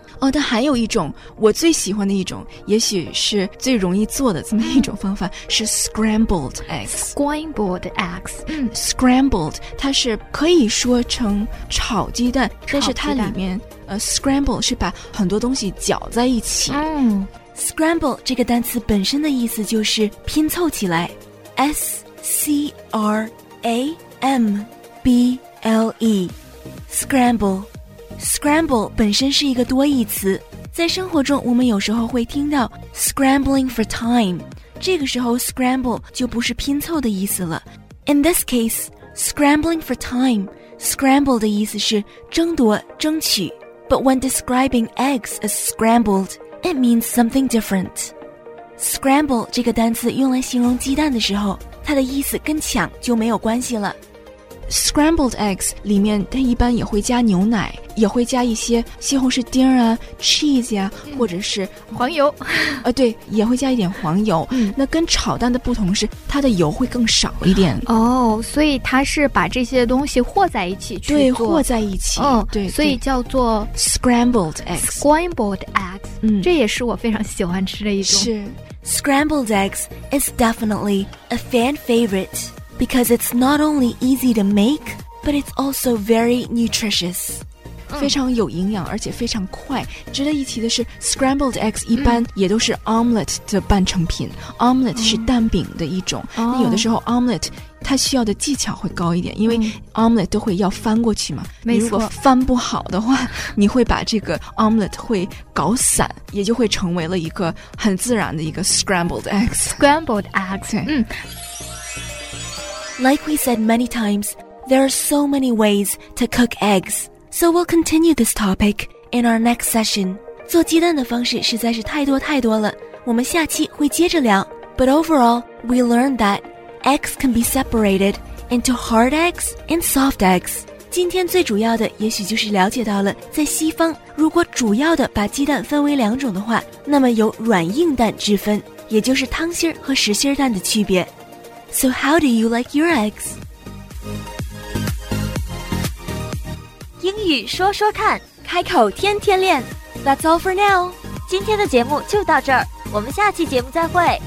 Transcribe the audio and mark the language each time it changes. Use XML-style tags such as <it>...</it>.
<zh>哦，但还有一种我最喜欢的一种，也许是最容易做的这么一种方法，是</zh> <en>scrambled eggs。 Scrambled eggs。</en> <zh>Scrambled， 它是可以说成炒鸡蛋，但是它里面scramble 是把很多东西搅在一起。 Scramble 这个单词本身的意思就是拼凑起来 S C R A M B L E， Scramble。 Scramble 本身是一个多义词，在生活中我们有时候会听到</zh> <en>scrambling for time，</en> <zh>这个时候 scramble 就不是拼凑的意思了。</zh> <en>In this case scrambling for time， scramble</en> <zh>的意思是争夺争取。</zh> <en>But when describing eggs as scrambledIt means something different.</en> <zh>Scramble 这个单词用来形容鸡蛋的时候，它的意思跟抢就没有关系了。</zh> <en>Scrambled eggs</en> <zh>里面它一般也会加牛奶，也会加一些西红柿丁啊、cheese 呀、或者是黄油。对，也会加一点黄油。那跟炒蛋的不同是，它的油会更少一点。哦，所以它是把这些东西和在一起去做。对，和在一起。对，所以叫做</zh> <en>scrambled eggs。 Scrambled eggs。</en> <zh>这也是我非常喜欢吃的一种。是</zh> <en>scrambled eggs is definitely a fan favorite because it's not only easy to make, but it's also very nutritious.</en> <zh>非常有营养，而且非常快。值得一提的是</zh> <en>scrambled eggs</en> <zh>一般也都是 omelette 的半成品。 omelette 是蛋饼的一种。那有的时候 omelette 它需要的技巧会高一点，因为 omelette 都会要翻过去嘛。没错，你如果翻不好的话，你会把这个 omelette 会搞散，也就会成为了一个很自然的一个</zh> <en>scrambled eggs。 scrambled eggs。 Like we said many times, there are so many ways to cook eggs. So we'll continue this topic in our next session.</en> <zh>做鸡蛋的方式实在是太多太多了，我们下期会接着聊。</zh> <en>But overall, we learned that eggs can be separated into hard eggs and soft eggs.</en> <zh>今天最主要的也许就是了解到了，在西方，如果主要的把鸡蛋分为两种的话，那么有软硬蛋之分，也就是汤芯和实心蛋的区别。</zh> <en>So how do you like your eggs?</en> <zh>英语说说看，开口天天练。</zh> <en>That's all for now.</en> <zh>今天的节目就到这儿，我们下期节目再会。</zh>